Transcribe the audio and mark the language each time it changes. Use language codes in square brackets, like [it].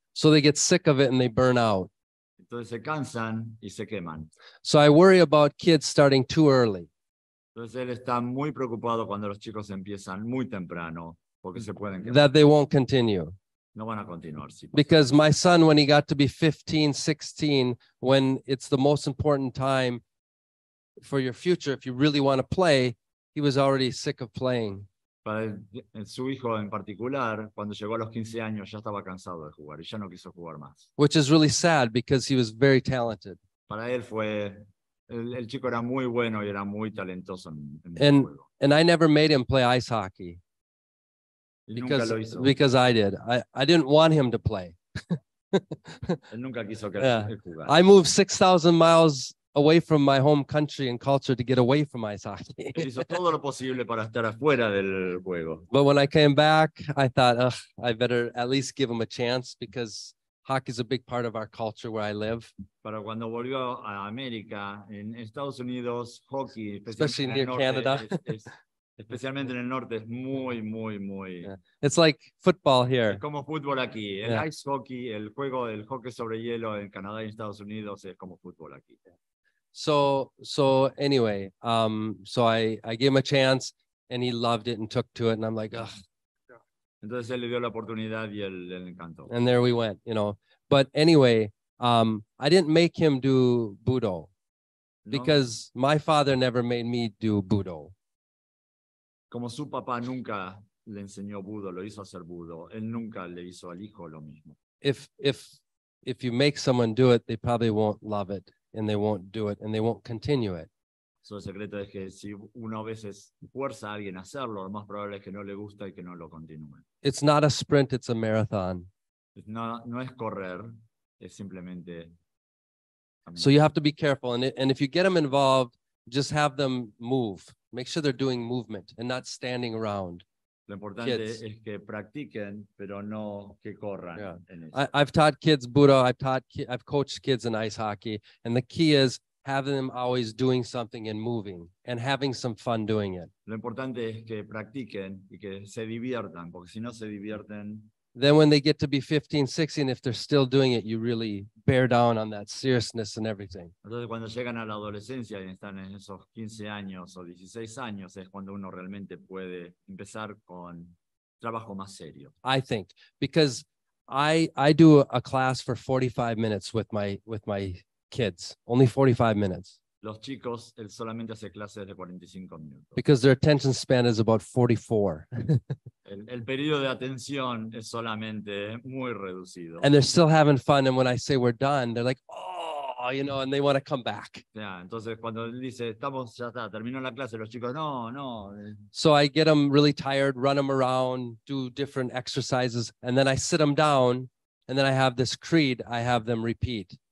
[en] So they get sick of it and they burn out. [es] Entonces se cansan y se queman. [en] So I worry about kids starting too early. [es] Entonces él está muy preocupado cuando los chicos empiezan muy temprano porque se pueden quemar. [en] That they won't continue. [es] No van a continuar, sí. [en] Because my son, when he got to be 15, 16, when it's the most important time for your future, if you really want to play, he was already sick of playing. [es] Para su hijo en particular, cuando llegó a los 15 años, ya estaba cansado de jugar y ya no quiso jugar más. [en] Which is really sad because he was very talented. [es] Para él fue, el chico era muy bueno y era muy talentoso en el juego. [en] And I never made him play ice hockey. Because I did. I didn't want him to play. [es] Nunca quiso que yeah. jugar. [en] I moved 6,000 miles away from my home country and culture to get away from ice hockey. [es] Hizo todo lo posible para estar afuera del juego. [en] But when I came back, I thought, I better at least give him a chance because hockey is a big part of our culture where I live. [es] Pero cuando volvió a América, en Estados Unidos, hockey, [en] especially near [es] norte, [en] Canada. [es] Especialmente en el norte es muy muy muy. [en] Yeah. It's like football here. [es] Es como fútbol aquí. El yeah. ice hockey, el juego del hockey sobre hielo en Canadá y Estados Unidos es como fútbol aquí. [en] So anyway, so I gave him a chance and he loved it and took to it and I'm like, ugh. [es] Entonces él le dio la oportunidad y él le encantó. [en] And there we went, you know. But anyway, I didn't make him do Budo because no. my father never made me do Budo. [es] Como su papá nunca le enseñó budo, lo hizo hacer budo. Él nunca le hizo al hijo lo mismo. [en] If you make someone do it, they probably won't love it, and they won't do it, and they won't continue it. [es] So el secreto es que si uno a veces fuerza a alguien a hacerlo, lo más probable es que no le gusta y que no lo continúe. [en] It's not a sprint, it's a marathon. [es] No es correr, es simplemente. [en] So you have to be careful, and if you get them involved, just have them move. Make sure they're doing movement and not standing around. [es] Lo importante kids. Es que practiquen, pero no que corran. Yeah. [en] I've taught kids budo. I've coached kids in ice hockey. And the key is having them always doing something and moving and having some fun doing it. [es] Lo importante es que practiquen y que se diviertan, porque si no se divierten. [en] Then when they get to be 15, 16, if they're still doing it, you really bear down on that seriousness and everything. [es] Entonces, cuando llegan a la adolescencia y están en esos 15 años o 16 años, es cuando uno realmente puede empezar con trabajo más serio. [en] I think, because I do a class for 45 minutes with my kids, only 45 minutes. [es] Los chicos, él solamente hace clases de 45 minutos. [en] Because their attention span is about 44. [es] el periodo de atención es solamente muy reducido. [en] And they're still having fun, and when I say we're done, they're like, oh, you know, and they want to come back. [es] Yeah, entonces cuando dice, estamos, ya está, terminó la clase, los chicos, no, no. [en] So I get them really tired, run them around, do different exercises, and then I sit them down, and then I have this creed I have them repeat.